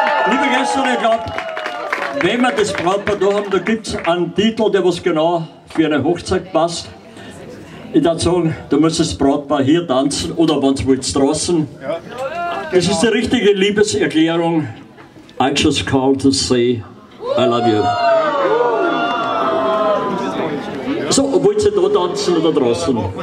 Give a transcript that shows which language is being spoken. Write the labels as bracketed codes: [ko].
[de] Liebe Gäste, ich glaube, wenn wir das Brautpaar da haben, da gibt es einen Titel, der was genau für eine Hochzeit passt. Ich darf sagen, du musst das Brautpaar hier tanzen oder wenn es wohl draußen. Das ist die richtige Liebeserklärung. [en] I just called to say I love you. [de] So, wollt ihr da tanzen oder draußen?